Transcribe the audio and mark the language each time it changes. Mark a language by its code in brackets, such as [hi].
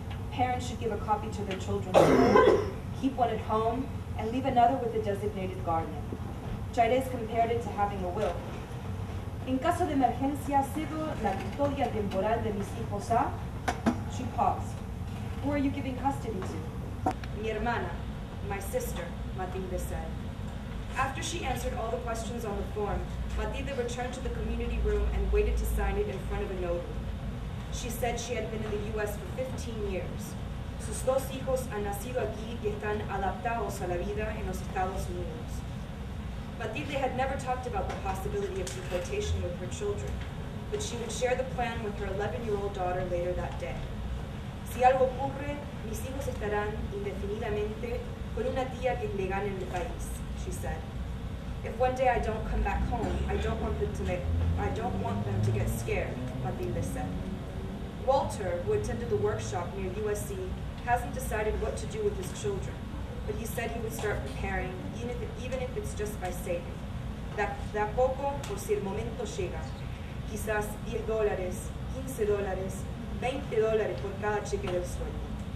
[en] Parents should give a copy to their children's school, keep one at home, and leave another with a designated guardian. Chaidez compared it to having a will. [es] En caso de emergencia, cedo la custodia temporal de mis hijos a... [en] She paused. Who are you giving custody to? [es] Mi hermana, [en] my sister, Matilde said. After she answered all the questions on the form, Matilde returned to the community room and waited to sign it in front of a notary. She said she had been in the U.S. for 15 years. [es] Sus dos hijos han nacido aquí y están adaptados a la vida en los Estados Unidos. [en] Matilde had never talked about the possibility of deportation with her children, but she would share the plan with her 11-year-old daughter later that day. [es] Si algo ocurre, mis hijos estarán indefinidamente con una tía que es legal en el país, [en] she said. If one day I don't come back home, I don't want them to get scared, Matilde said. Walter, who attended the workshop near USC, hasn't decided what to do with his children, but he said he would start preparing, even if it's just by saving. [es] De a poco, por si el momento llega, quizás $10, $15, $20 por cada cheque del sueldo.